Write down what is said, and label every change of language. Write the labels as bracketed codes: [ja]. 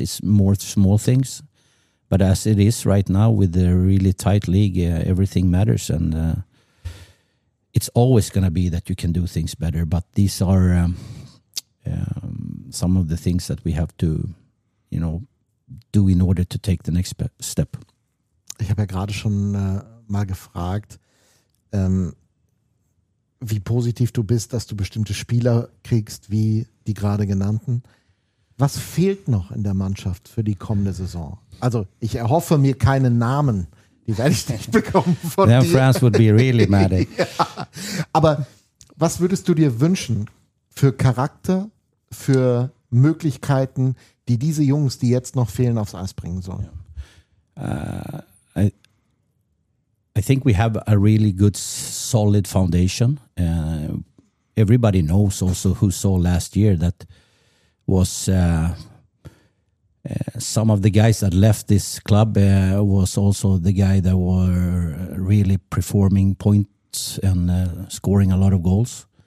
[en] It's more small things. But as it is right now with the really tight league, everything matters. And it's always going to be that you can do things better. But these are... some of the things that we have to, you know, do in order to take the next step. [de] Ich habe ja gerade schon mal gefragt, wie positiv du bist, dass du bestimmte Spieler kriegst, wie die gerade genannten. Was fehlt noch in der Mannschaft für die kommende Saison? Also ich erhoffe mir keinen Namen, die werde ich nicht bekommen von [en] then [de] dir. [en] France would be really mad. [de] Ja. Aber was würdest du dir wünschen für Charakter, für Möglichkeiten, die diese Jungs, die jetzt noch fehlen, aufs Eis bringen sollen? [en] I think we have a really good, solid foundation. Everybody knows also who saw last year that was some of the guys that left this club was also the guy that were really performing points and scoring a lot of goals.